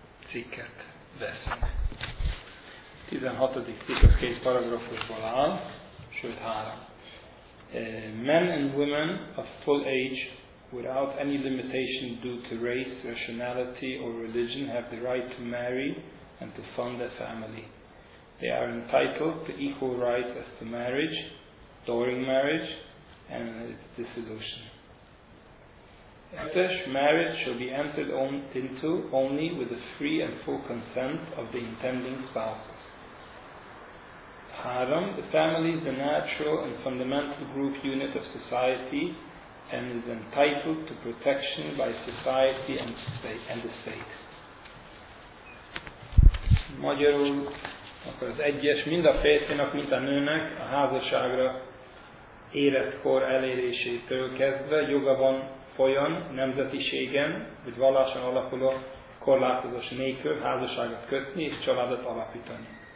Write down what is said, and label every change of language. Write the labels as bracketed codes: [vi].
[hu] cikket veszünk. 16. cikk az két paragrafusból áll, sőt három. [en] Men and women of full age without any limitation due to race, nationality or religion have the right to marry and to found a family. They are entitled to equal rights as to marriage, during marriage, and its dissolution. Such marriage shall be entered into only with the free and full consent of the intending spouses. Haram, the family is the natural and fundamental group unit of society and is entitled to protection by society and the state. [hu] Magyarul, akkor az egyes, mind a férfinak, mind a nőnek a házasságra életkor elérésétől kezdve joga van folyan, nemzetiségen, vagy valláson alapuló korlátozás nélkül házasságot kötni és családot alapítani.